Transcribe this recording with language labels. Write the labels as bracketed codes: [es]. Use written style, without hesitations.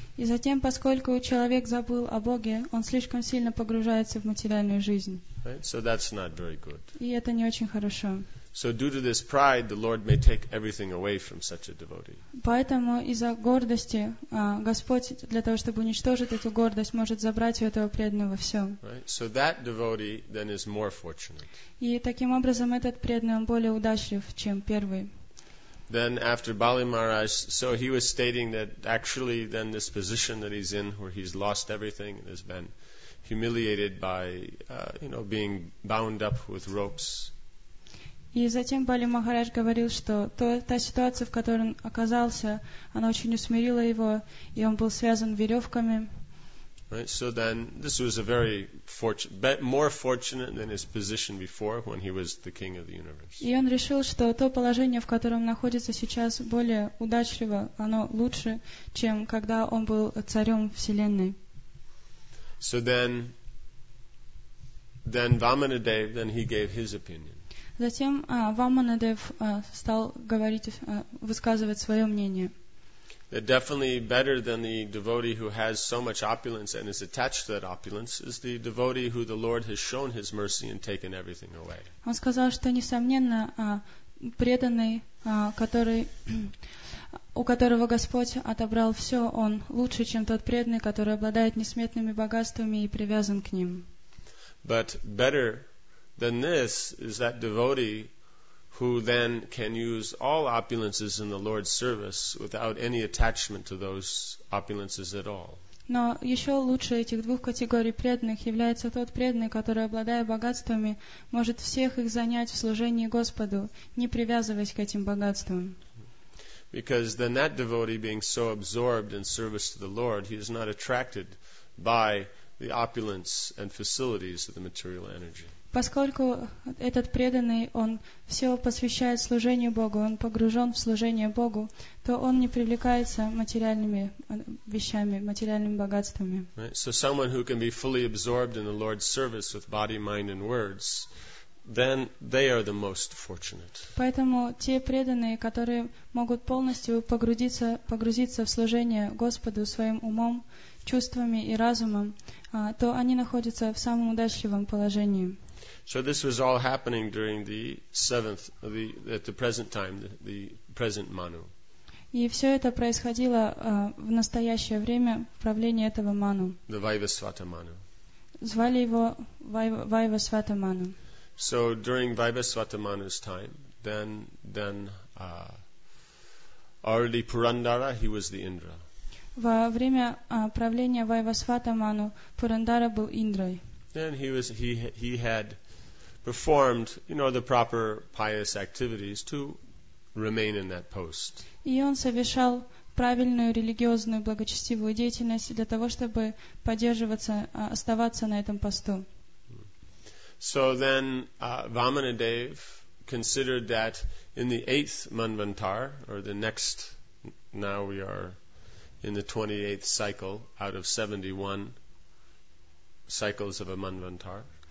[ru] И затем, поскольку человек забыл о Боге, он слишком сильно погружается в материальную жизнь. [en] Right? So that's not very good. [ru] И это не очень хорошо. [en] So due to this pride, the Lord may take everything away from such a devotee. [ru] Поэтому из-за гордости Господь для того, чтобы уничтожить эту гордость, может забрать у этого преданного все. [en] Right? So that devotee then is more fortunate. [ru] И таким образом этот преданный он более удачлив, чем первый. [en] Then after Bali Maharaj, so he was stating that actually then this position that he's in, where he's lost everything and has been humiliated by, you know, being bound up with ropes. [ru] И затем Бали Махарадж говорил, что та ситуация, в которой он оказался, она очень усмирила его, и он был связан веревками. [en] Right, so then this was a very more fortunate than his position before when he was the king of the universe. [ru] И он решил, что то положение, в котором находится сейчас, более удачливо, оно лучше, чем когда он был царем вселенной. [en] So then Vamanadeva, then he gave his opinion. [ru] Затем Ваманадев стал говорить, высказывать свое мнение. [en] That definitely better than the devotee who has so much opulence and is attached to that opulence is the devotee who the Lord has shown his mercy and taken everything away. [ru] Он сказал, что несомненно преданный, который, у которого Господь отобрал все, он лучше, чем тот преданный, который обладает несметными богатствами и привязан к ним. [en] But better than this is that devotee who then can use all opulences in the Lord's service without any attachment to those opulences at all. [ru] Но еще лучше этих двух категорий преданных является тот преданный, который, обладая богатствами, может всех их занять в служении Господу, не привязываясь к этим богатствам. [en] Because then that devotee, being so absorbed in service to the Lord, he is not attracted by the opulence and facilities of the material energy. [ru] Поскольку этот преданный, он все посвящает служению Богу, он погружен в служение Богу, то он не привлекается материальными вещами, материальными богатствами. [en] Right. So someone who can be fully absorbed in the Lord's service with body, mind and words, then they are the most fortunate. [ru] Поэтому те преданные, которые могут полностью погрузиться в служение Господу своим умом, чувствами и разумом, то они находятся в самом удачливом положении. [en] So this was all happening during the seventh, the present Manu. [ru] И все это происходило в настоящее время правления этого Ману. [en] The Vaivasvata Manu. [ru] Звали его Vaivasvata Manu. [en] So during Vaivasvata Manu's time, then already Purandara, he was the Indra. [ru] Во время правления Vaivasvata Manu Пурандара был Индрой. [en] Then he had performed, you know, the proper pious activities to remain in that post. [ru] И он совершал правильную религиозную благочестивую деятельность для того, чтобы поддерживаться, оставаться на этом посту. [en] So then Vamanadev considered that in the eighth Manvantar, or the next, now we are in the 28th cycle out of 71 cycles of a Manvantar.